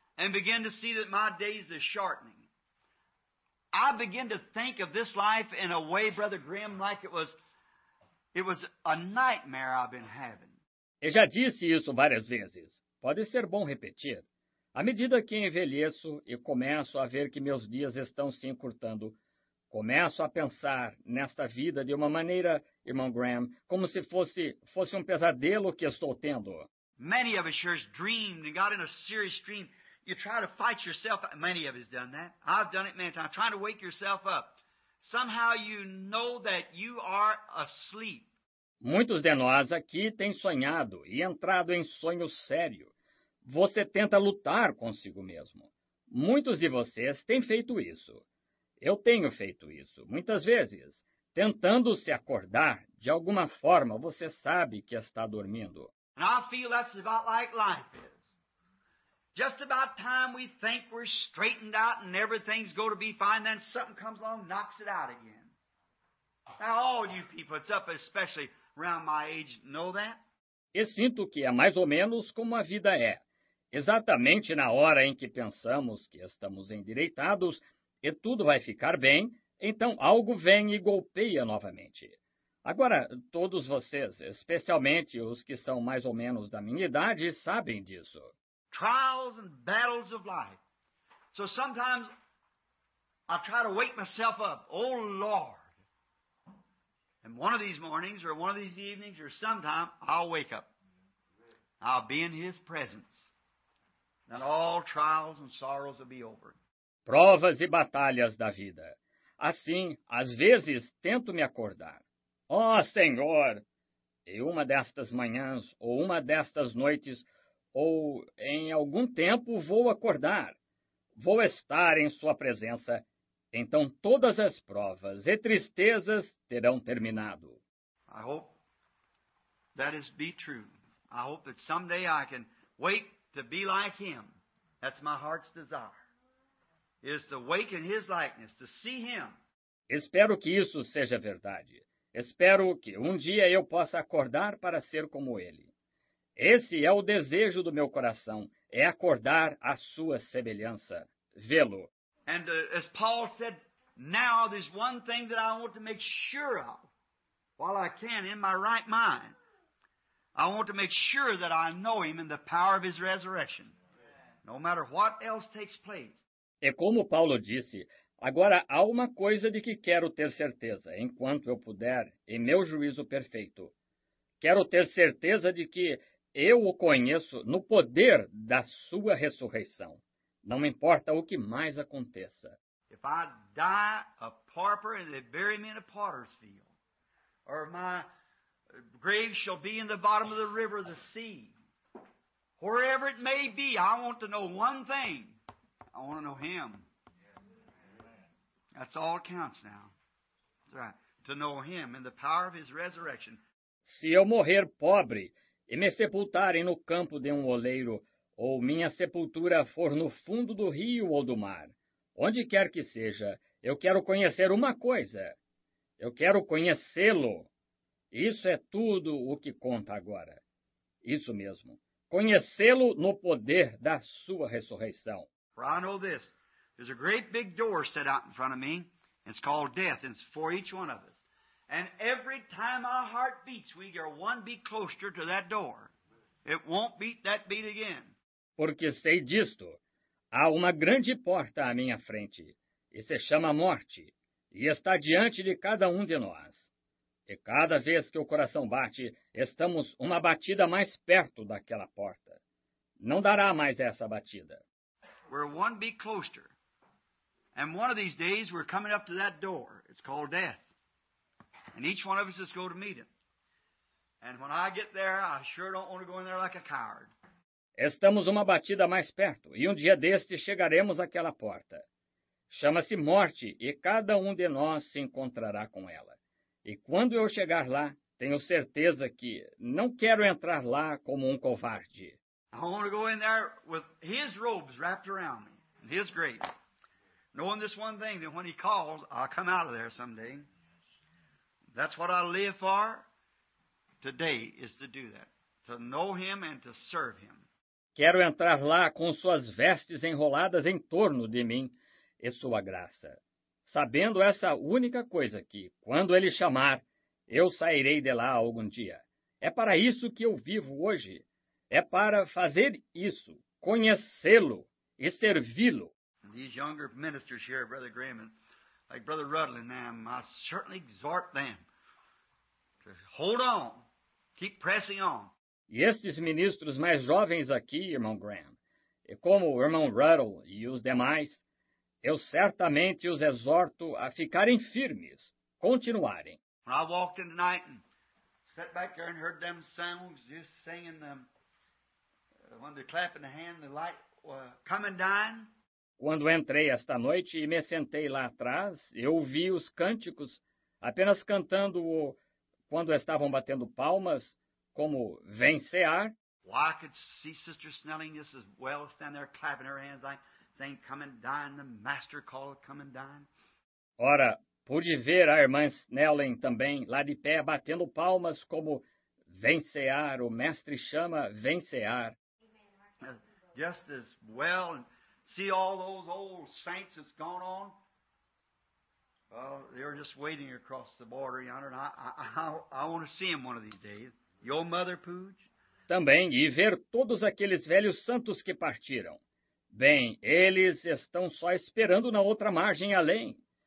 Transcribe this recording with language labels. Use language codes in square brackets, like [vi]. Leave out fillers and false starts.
[pt] Como eu começo a ficar mais velho e começo a ver que meus dias estão se achatando, [en] I begin to think of this life in a way, Brother Grimm, like it was a nightmare I've been having. [pt] Eu já disse isso várias vezes. Pode ser bom repetir. À medida que envelheço e começo a ver que meus dias estão se encurtando, começo a pensar nesta vida de uma maneira, irmão Grimm, como se fosse um pesadelo que estou tendo. [en] Many of us sure dreamed and got in a serious dream. You try to fight yourself. Many of us done that. I've done it many times. Trying to wake yourself up. Somehow you know that you are asleep. [pt] Muitos de nós aqui têm sonhado e entrado em sonho sério. Você tenta lutar consigo mesmo. Muitos de vocês têm feito isso. Eu tenho feito isso, muitas vezes. Tentando se acordar, de alguma forma, você sabe que está dormindo. [en] And I feel that's about like life is. Just about time we think we're straightened out and everything's going to be fine, then something comes along and knocks it out again. Now, all you people, it's up especially around my age, know that? [pt] Eu sinto que é mais ou menos como a vida é. Exatamente na hora em que pensamos que estamos endireitados e tudo vai ficar bem, então algo vem e golpeia novamente. Agora, todos vocês, especialmente os que são mais ou menos da minha idade, sabem disso. [en] Trials and battles of life. So sometimes I try to wake myself up. Oh, Lord. And one of these mornings or one of these evenings or sometime, I'll wake up. I'll be in His presence. And all trials and sorrows will be over. [pt] Provas e batalhas da vida. Assim, às vezes, tento me acordar. Oh, Senhor! E uma destas manhãs ou uma destas noites... Ou, em algum tempo, vou acordar. Vou estar em sua presença. Então, todas as provas e tristezas terão terminado. [en] I hope that is be true. I hope that someday I can wake to be like Him. That's my heart's desire. Is to wake in His likeness, to see Him. [pt] Espero que isso seja verdade. Espero que um dia eu possa acordar para ser como Ele. Esse é o desejo do meu coração, é acordar à sua semelhança, vê-lo. [en] And as Paul said, now there's one thing that I want to make sure of, while I can, in my right mind. I want to make sure that I know Him in the power of His resurrection, no matter what else takes place. [pt] E como Paulo disse, agora há uma coisa de que quero ter certeza, enquanto eu puder, em meu juízo perfeito. Quero ter certeza de que eu o conheço no poder da sua ressurreição. Não importa o que mais aconteça. [en] If I die a pauper and they bury me in a potter's field, or my grave shall be in the bottom of the river or the sea, wherever it may be, I want to know one thing. I want to know Him. That's all that counts now. That's right. To know Him in the power of His resurrection. [pt] Se eu morrer pobre e me sepultarem no campo de um oleiro, ou minha sepultura for no fundo do rio ou do mar, onde quer que seja, eu quero conhecer uma coisa. Eu quero conhecê-lo. Isso é tudo o que conta agora. Isso mesmo. Conhecê-lo no poder da sua ressurreição. [en] For I know this. There's a great big door set out in front of me. It's called death. It's for each one of us. And every time our heart beats, we are one beat closer to that door. It won't beat that beat again. [pt] Porque sei disto. Há uma grande porta à minha frente. E se chama morte. E está diante de cada um de nós. E cada vez que o coração bate, estamos uma batida mais perto daquela porta. Não dará mais essa batida. [en] We're one beat closer. And one of these days, we're coming up to that door. It's called death. And each one of us is going to meet Him. And when I get there, I sure don't want to go in there like a coward. [pt] Estamos uma batida mais perto, e um dia deste chegaremos àquela porta. Chama-se morte, e cada um de nós se encontrará com ela. E quando eu chegar lá, tenho certeza que não quero entrar lá como um covarde. [en] I want to go in there with His robes wrapped around me, and His grace. Knowing this one thing, that when He calls, I'll come out of there someday. That's what I live for today, is to do that, to know Him and to serve Him. [pt] Quero entrar lá com suas vestes enroladas em torno de mim e sua graça. sabendo essa única coisa que, quando ele chamar, eu sairei de lá algum dia. É para isso que eu vivo hoje. É para fazer isso, conhecê-lo e servi-lo. [en] These younger ministers here, Brother Graham, and like Brother Rudlin, I certainly exhort them to hold on, keep pressing on. [pt] E estes ministros mais jovens aqui, irmão Graham, e como o irmão Ruddle e os demais, eu certamente os exorto a ficarem firmes, continuarem. [en] When I walked in tonight and sat back there and heard them songs, just singing them, when they're clapping the hand, the light coming down. [pt] Quando entrei esta noite e me sentei lá atrás, eu vi os cânticos apenas cantando o, quando estavam batendo palmas, como vem cear. [en] Well, I could see Sister Snelling just as well stand there clapping her hands like saying, come and dine, the master call, come and dine. [pt] Ora, pude ver a irmã Snelling também lá de pé batendo palmas como vem cear, o mestre chama, vem cear. [en] Just as well and see all those old saints that's gone on. Well, they're just waiting across the border yonder, and I want to see them one of these days. Your mother, Pooch. [pt] Também, e ver todos aqueles velhos santos que partiram. Bem, eles estão só esperando na outra margem além.